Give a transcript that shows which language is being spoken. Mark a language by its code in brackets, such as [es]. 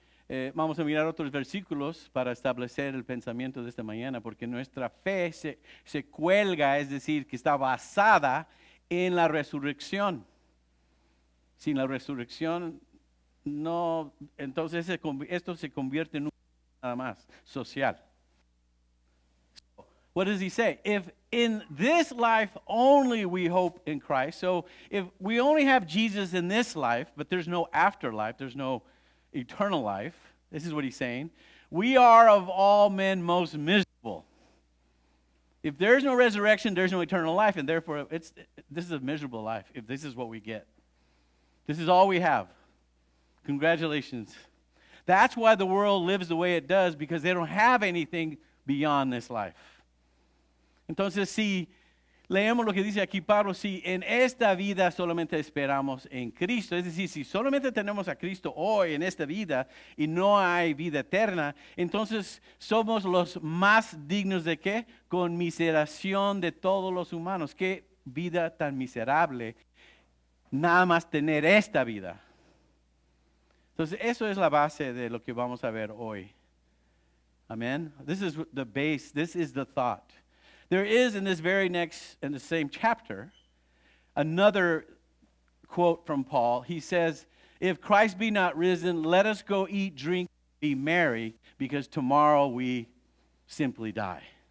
[es] Vamos a mirar otros versículos para establecer el pensamiento de esta mañana, porque nuestra fe se cuelga, es decir, que está basada en la resurrección. Sin la resurrección, no, entonces esto se convierte en un nada más social. [en] So, what does he say? If in this life only we hope in Christ, so if we only have Jesus in this life, but there's no afterlife, there's no eternal life, this is what he's saying. We are of all men most miserable. If there's no resurrection, there's no eternal life, and therefore this is a miserable life if this is what we get. This is all we have. Congratulations. That's why the world lives the way it does, because they don't have anything beyond this life. [es] Entonces, si leemos lo que dice aquí Pablo, si en esta vida solamente esperamos en Cristo, es decir, si solamente tenemos a Cristo hoy en esta vida y no hay vida eterna, entonces somos los más dignos de ¿qué? Conmiseración de todos los humanos. ¿Qué vida tan miserable? Nada más tener esta vida. Entonces, eso es la base de lo que vamos a ver hoy. [en] Amen. This is the base. This is the thought. There is in this very next, in the same chapter, another quote from Paul. He says, if Christ be not risen, let us go eat, drink, be merry, because tomorrow we simply die.